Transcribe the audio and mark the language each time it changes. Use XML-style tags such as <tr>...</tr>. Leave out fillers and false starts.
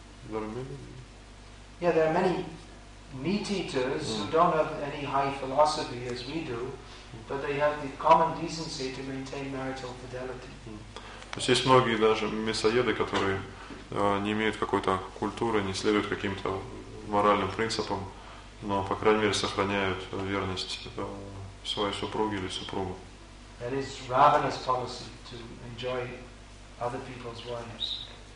<en>Yeah, there are many meat eaters who don't have any high philosophy as we do, but they have the common decency to maintain marital fidelity.</en> <ru>То есть есть многие даже мясоеды, которые не имеют какой-то культуры, не следуют каким-то моральным принципам, но по крайней мере сохраняют верность своей супруге или супругу.</ru> <en>That is ravenous policy to enjoy other people's wives.</en>